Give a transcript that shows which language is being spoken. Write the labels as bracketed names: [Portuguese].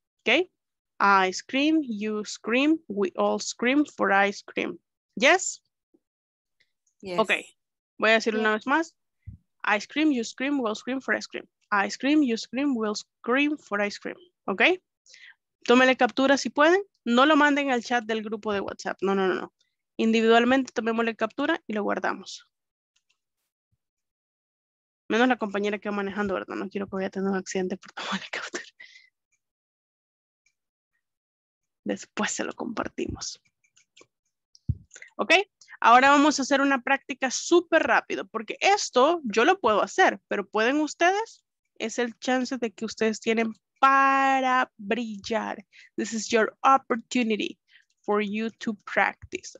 [English] Okay? I scream, you scream, we all scream for ice cream. Yes? Yes. [Spanish] Okay. Voy a decir una vez más. [English] I scream, you scream, we all scream for ice cream. I scream, you scream, we all scream for ice cream. [Spanish] Okay? Tómele captura si pueden. No lo manden al chat del grupo de WhatsApp. No, no, no, no. Individualmente tomémosle captura y lo guardamos. Menos la compañera que va manejando, ¿verdad? No quiero que vaya a tener un accidente por tomar el captura. Después se lo compartimos. ¿Ok? Ahora vamos a hacer una práctica súper rápido. Porque esto yo lo puedo hacer. Pero pueden ustedes. Es el chance de que ustedes tienen para brillar. [English] This is your opportunity for you to practice.